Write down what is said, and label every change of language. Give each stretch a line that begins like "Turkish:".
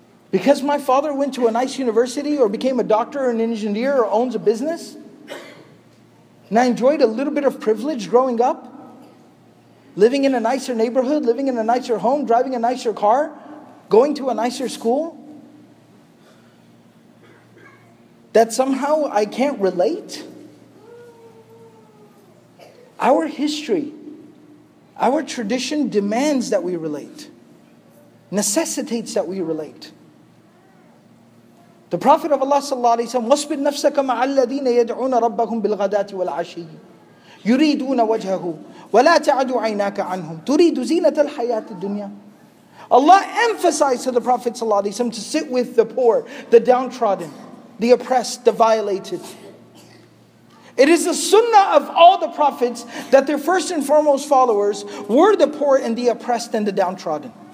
English: Because my father went to a nice university or became a doctor or an engineer or owns a business, and I enjoyed a little bit of privilege growing up, living in a nicer neighborhood, living in a nicer home, driving a nicer car, going to a nicer school, that somehow I can't relate. Our history, our tradition demands that we relate, necessitates that we relate. The Prophet of Allah
Arabic: sallallahu alayhi wa sallam, وَاصْبِرْ نَفْسَكَ مَعَ الَّذِينَ يَدْعُونَ رَبَّهُمْ بِالْغَدَاةِ وَالْعَشِيِّ يُرِيدُونَ وَجْهَهُ وَلَا تَعَدُ عَيْنَاكَ عَنْهُمْ تُرِيدُ زِينَةَ الْحَيَاةِ الدُّنْيَا.
English: Allah emphasized to the Prophet sallallahu alayhi wa sallam to sit with the poor, the downtrodden, the oppressed, the violated. It is the sunnah of all the prophets that their first and foremost followers were the poor and the oppressed and the downtrodden.